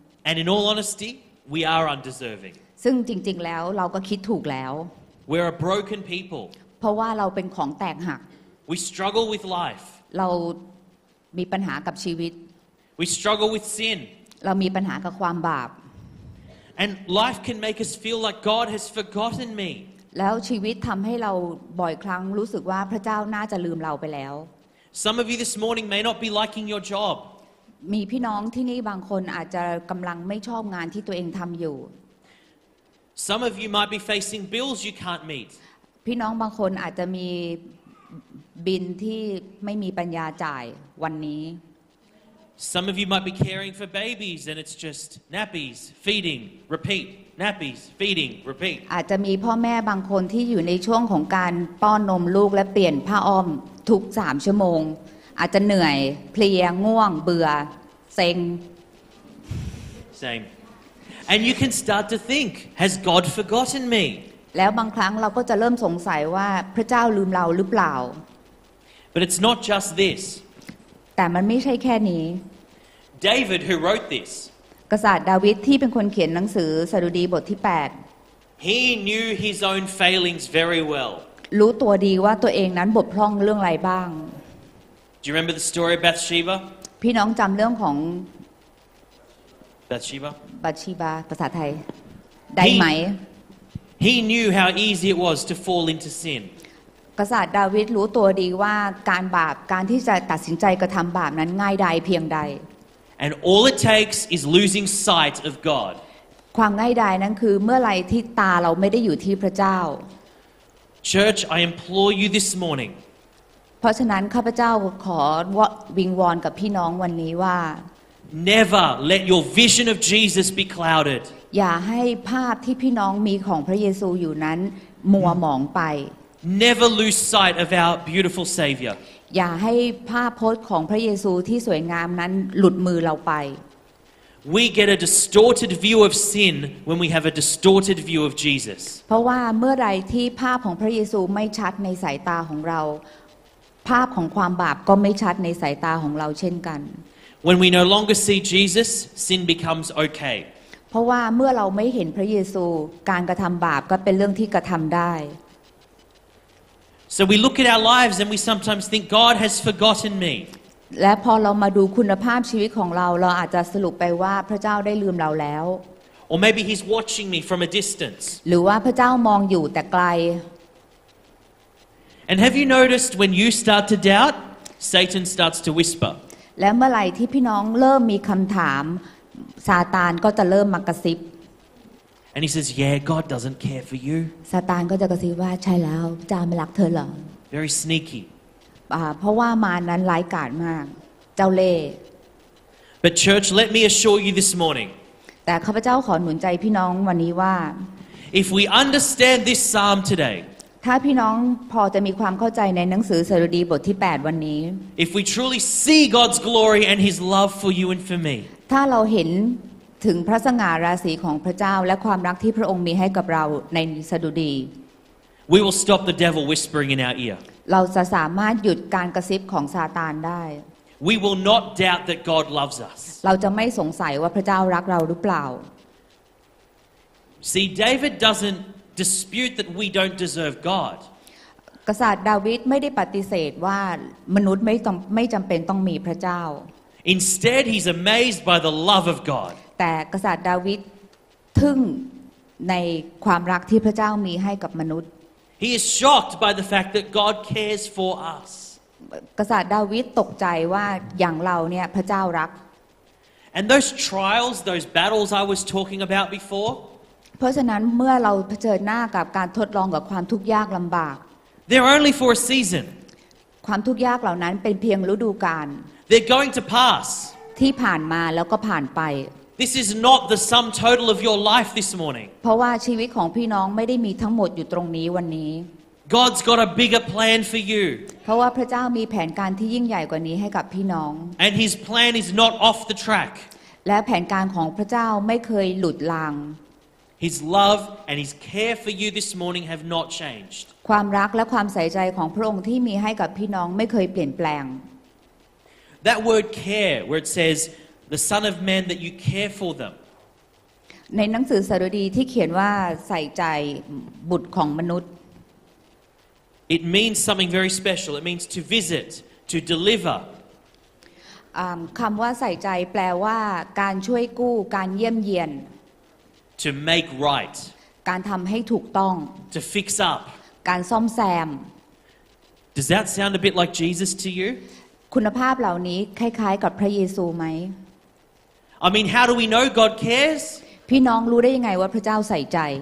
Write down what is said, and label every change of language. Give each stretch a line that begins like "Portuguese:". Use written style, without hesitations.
English: And in all honesty we are undeserving
Thai: ซึ่งจริงๆแล้วเราก็คิดถูกแล้ว
English: We are broken people
Thai: เพราะว่าเราเป็นของแตกหัก
English: We struggle with life
Thai: เรามีปัญหากับชีวิต
English: We struggle with sin
Thai: เรามีปัญหากับความบาป
English: And life can make us feel like God has forgotten me
Thai: แล้วชีวิตทำให้เราบ่อยครั้งรู้สึกว่าพระเจ้าน่าจะลืมเราไปแล้ว
English: Some of you this morning may not be liking your job.
Thai: มีพี่น้องที่นี่บางคนอาจจะกำลังไม่ชอบงานที่ตัวเองทำอยู่
English: Some of you might be facing bills you can't meet.
Thai: พี่น้องบางคนอาจจะมีบิลที่ไม่มีปัญญาจ่ายวันนี้
English: Some of you might be caring for babies and it's just nappies, feeding, repeat, nappies, feeding, repeat.
Thai: อาจจะมีพ่อแม่บางคนที่อยู่ในช่วงของการป้อนนมลูกและเปลี่ยนผ้าอ้อมทุก3ชั่วโมงอาจจะเหนื่อยเพลียง่วงเบื่อเซ็ง
English: Same And you can start to think has God forgotten me
Thai: แล้วบางครั้งเราก็จะเริ่มสงสัยว่าพระเจ้าลืมเราหรือเปล่า
English: But it's not just this
Thai: แต่มันไม่ใช่แค่นี้
English: David who wrote this
Thai: กษัตริย์ดาวิดที่เป็นคนเขียนหนังสือสดุดีบทที่8
English: He knew his own failings very well
Thai: รู้ตัวดีว่าตัวเองนั้นบกพร่องเรื่องอะไรบ้าง
English: Do you remember the story of Bathsheba?
Thai: พี่น้องจำเรื่องของ
English: Bathsheba?
Thai: Bathsheba ภาษาไทยได้ไหม
English: He knew how easy it was to fall into sin.
Thai: กษัตริย์ดาวิดรู้ตัวดีว่าการบาปการที่จะตัดสินใจกระทำบาปนั้นง่ายใดเพียงใด
English: And all it takes is losing sight of God.
Thai: ความง่ายใดนั้นคือเมื่อไรที่ตาเราไม่ได้อยู่ที่พระเจ้า
English: Church, I implore you this morning.
Thai: เพราะฉะนั้นข้าพเจ้าขอวิงวอนกับพี่น้องวันนี้ว่า
English: Never let your vision of Jesus be clouded.
Thai: อย่าให้ภาพที่พี่น้องมีของพระเยซูอยู่นั้นมัวหมองไป
English: Never lose sight of our beautiful Savior.
Thai: อย่าให้ภาพพจน์ของพระเยซูที่สวยงามนั้นหลุดมือเราไป
English: We get a distorted view of sin when we have a distorted view of Jesus.
Thai: เพราะว่าเมื่อไรที่ภาพของพระเยซูไม่ชัดในสายตาของเราภาพของความบาปก็ไม่ชัดในสายตาของเราเช่นกัน
English: When we no longer see Jesus, sin becomes okay.
Thai: เพราะว่าเมื่อเราไม่เห็นพระเยซูการกระทำบาปก็เป็นเรื่องที่กระทำได้
English: So we look at our lives and we sometimes think God has forgotten me.
Thai: และพอเรามาดูคุณภาพชีวิตของเราเราอาจจะสรุปไปว่าพระเจ้าได้ลืมเราแล้ว
English: Or maybe he's watching me from a distance
Thai: หรือว่าพระเจ้ามองอยู่แต่ไกล
English: And have you noticed when you start to doubt Satan starts to whisper
Thai: และเมื่อไหร่ที่พี่น้องเริ่มมีคำถามซาตานก็จะเริ่มมากระซิบ
English: And he says yeah God doesn't care for you
Thai: ซาตานก็จะกระซิบว่าใช่แล้วเจ้าไม่รักเธอเหรอ
English: Very sneaky
Thai: เพราะว่ามารนั้นร้ายกาจมากเจ้าเล่
English: But church let me assure you this morning
Thai: แต่ข้าพเจ้าขอหนุนใจพี่น้องวันนี้ว่า
English: If we understand this psalm today
Thai: ถ้าพี่น้องพอจะมีความเข้าใจในหนังสือสดุดีบทที่8วันนี้
English: If we truly see God's glory and his love for you and for me
Thai: ถ้าเราเห็นถึงพระสง่าราศีของพระเจ้าและความรักที่พระองค์มีให้กับเราในสดุดี
English: We will stop the devil whispering in our ear
Thai: เราจะสามารถหยุดการกระซิบของซาตานได้
English: We will not doubt that God loves us
Thai: เราจะไม่สงสัยว่าพระเจ้ารักเราหรือเปล่า
English: See David doesn't dispute that we don't deserve God
Thai: กษัตริย์ดาวิดไม่ได้ปฏิเสธว่ามนุษย์ไม่จําเป็นต้องมีพระเจ้า
English: Instead he's amazed by the love of God
Thai: แต่กษัตริย์ดาวิดทึ่งในความรักที่พระเจ้ามีให้กับมนุษย์
English: He is shocked by the fact that God cares for us.
Thai: กษัตริย์ดาวิดตกใจว่าอย่างเราเนี่ยพระเจ้ารัก
English: And those trials, those battles I was talking about before.
Thai: เพราะฉะนั้นเมื่อเราเผชิญหน้ากับการทดลองกับความทุกข์ยากลำบาก
English: They're only for a season.
Thai: ความทุกข์ยากเหล่านั้นเป็นเพียงฤดูกาล
English: They're going to pass.
Thai: ที่ผ่านมาแล้วก็ผ่านไป
English: This is not the sum total of your life this morning.
Thai: เพราะว่าชีวิตของพี่น้องไม่ได้มีทั้งหมดอยู่ตรงนี้วันนี้
English: God's got a bigger plan for you.
Thai: เพราะว่าพระเจ้ามีแผนการที่ยิ่งใหญ่กว่านี้ให้กับพี่น้อง
English: And his plan is not off the track.
Thai: และแผนการของพระเจ้าไม่เคยหลุดราง
English: His love and his care for you this morning have not changed.
Thai: ความรักและความใส่ใจของพระองค์ที่มีให้กับพี่น้องไม่เคยเปลี่ยนแปลง
English: That word care where it saysThe Son of Man that you care for them.
Thai: ในหนังสือสดุดีที่เขียนว่าใส่ใจบุตรของมนุษย์
English: It means something very special. It means to visit, to deliver.
Thai: คำว่าใส่ใจแปลว่าการช่วยกู้การเยี่ยมเยียน
English: To make right.
Thai: การทำให้ถูกต้อง
English: To fix up.
Thai: การซ่อมแซม
English: Does that sound a bit like Jesus to you?
Thai: คุณภาพเหล่านี้คล้ายๆกับพระเยซูไหม
English: I mean, how do we know God cares?
Thai: พี่น้องรู้ได้ยังไงว่าพระเจ้าใส่ใจ